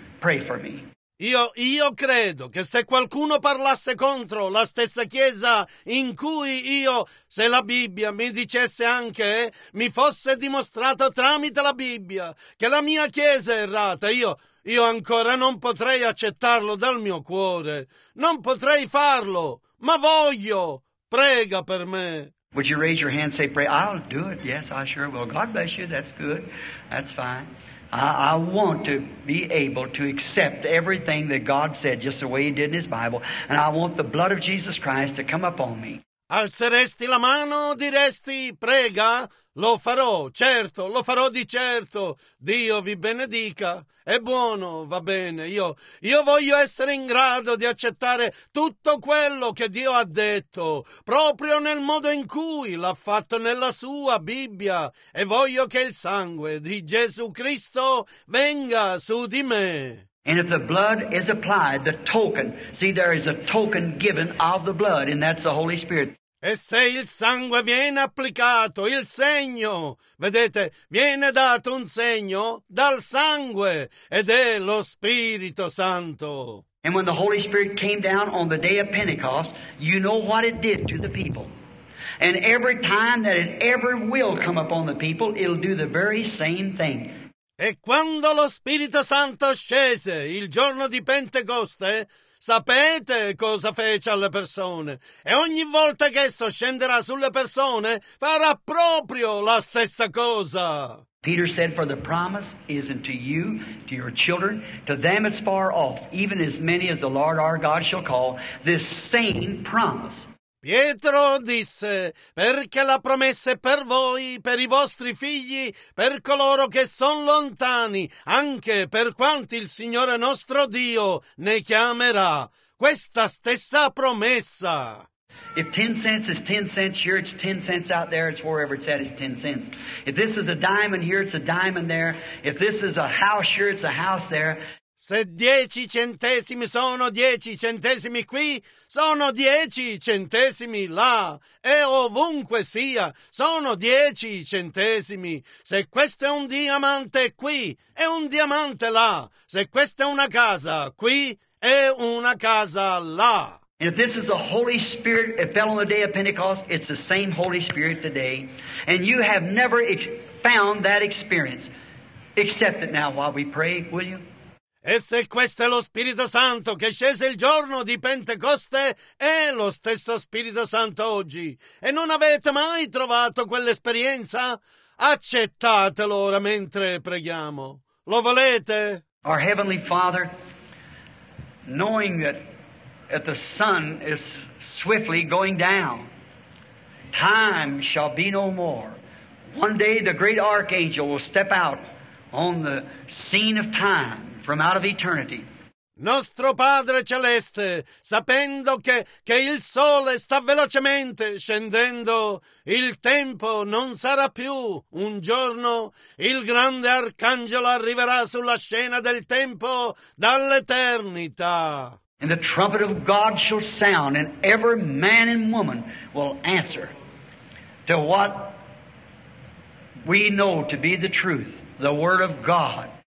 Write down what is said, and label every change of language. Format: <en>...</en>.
<en>Pray for me.</en> <it>Io credo che se qualcuno parlasse contro la stessa chiesa in cui io, se la Bibbia mi dicesse anche, mi fosse dimostrato tramite la Bibbia che la mia chiesa è errata, io ancora non potrei accettarlo dal mio cuore. Non potrei farlo, ma voglio. Prega per me.</it> <en>Would you raise your hand and say, pray? I'll do it. Yes, I sure will. God bless you. That's good. That's fine. I want to be able to accept everything that God said, just the way He did in His Bible, and I want the blood of Jesus Christ to come upon me.</en> <it>Alzeresti la mano, diresti, prega, lo farò, certo, lo farò di certo, Dio vi benedica, è buono, va bene, io voglio essere in grado di accettare tutto quello che Dio ha detto, proprio nel modo in cui l'ha fatto nella sua Bibbia, e voglio che il sangue di Gesù Cristo venga su di me.</it> <en>And if the blood is applied, the token, see there is a token given of the blood, and that's the Holy Spirit.</en> <it>E se il sangue viene applicato, il segno, vedete, viene dato un segno dal sangue ed è lo Spirito Santo.</it> <en>And when the Holy Spirit came down on the day of Pentecost, you know what it did to the people. And every time that it ever will come upon the people, it'll do the very same thing.</en> <it>E quando lo Spirito Santo scese il giorno di Pentecoste, sapete cosa fece alle persone. E ogni volta che esso scenderà sulle persone, farà proprio la stessa cosa.</it> <en>Peter said, for the promise is unto you, to your children, to them as far off, even as many as the Lord our God shall call, this same promise.</en> <it>Pietro disse, perché la promessa è per voi, per i vostri figli, per coloro che son lontani, anche per quanti il Signore nostro Dio ne chiamerà. Questa stessa promessa.</it> <en>If 10 cents is 10 cents here, it's 10 cents out there, it's wherever it's at, it's 10 cents. If this is a diamond here, it's a diamond there. If this is a house here, it's a house there.</en> <it>Se 10 centesimi sono 10 centesimi qui, sono 10 centesimi là, e ovunque sia, sono 10 centesimi. Se questo è un diamante qui, è un diamante là. Se questa è una casa qui, è una casa là.</it> <en>And if this is the Holy Spirit that fell on the day of Pentecost, it's the same Holy Spirit today. And you have never found that experience. Accept it now while we pray, will you?</en> <it>E se questo è lo Spirito Santo che scese il giorno di Pentecoste, è lo stesso Spirito Santo oggi. E non avete mai trovato quell'esperienza? Accettatelo ora mentre preghiamo. Lo volete?</it> <en>Our Heavenly Father, knowing that if the sun is swiftly going down, time shall be no more. One day the great archangel will step out on the scene of time from out of eternity.</en> <it>Nostro Padre Celeste, sapendo che il sole sta velocemente scendendo, il tempo non sarà più un giorno, il grande arcangelo arriverà sulla scena del tempo dall'eternità.</it> <en>And the trumpet of God shall sound, and every man and woman will answer to what we know to be the truth, the Word of God.</en>